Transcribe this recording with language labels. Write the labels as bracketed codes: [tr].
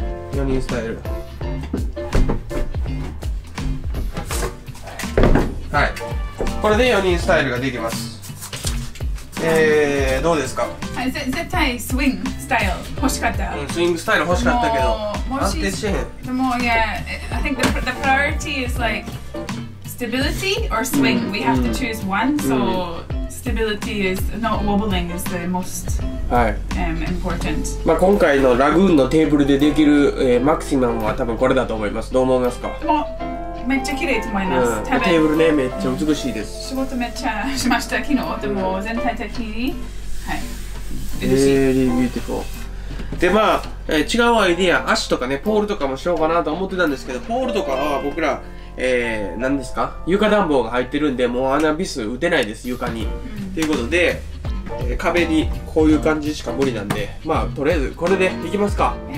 [ja] 4人スタイル、はい、これで4人スタイルができます。どうですか。絶対スイングスタイル欲しかった、うん、スイングスタイル欲しかったけど安定しへん。でも、 [en] yeah, I think the priority is like stability or swing、うん、we have to choose one、うん、so stability is not wobbling is the most [ja] はい、 [en] important. [ja] まあ今回のラグーンのテーブルでできる、マキシマムは多分これだと思います。どう思いますか。もめっちゃ綺麗と思います、うん、テーブルねめっちゃ美しいです。仕事めっちゃしました。昨日でも全体的にはい美しい。ビューティフォーで、まあ違うアイディア、足とかねポールとかもしようかなと思ってたんですけど、ポールとかは僕ら何ですか、床暖房が入ってるんでもうアナビス打てないです床に、うん、っていうことで壁にこういう感じしか無理なんで、まあとりあえずこれでいきますか。